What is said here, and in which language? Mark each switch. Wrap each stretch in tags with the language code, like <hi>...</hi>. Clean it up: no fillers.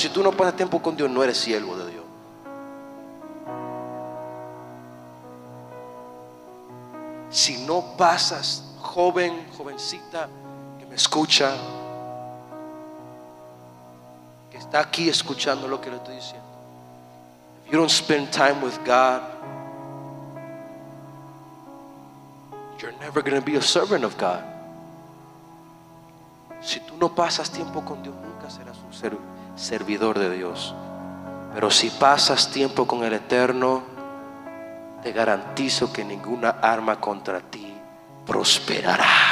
<es>Si tú no pasas tiempo con Dios, no eres siervo de Dios. Si no pasas, joven, jovencita, que me escucha, está aquí escuchando lo que le estoy diciendo.</es> <en>If you don't spend time with God, you're never going to be a servant of God.</en> <es>Si tú no pasas tiempo con Dios, nunca serás un servidor de Dios. Pero si pasas tiempo con el Eterno, te garantizo que ninguna arma contra ti prosperará.</es>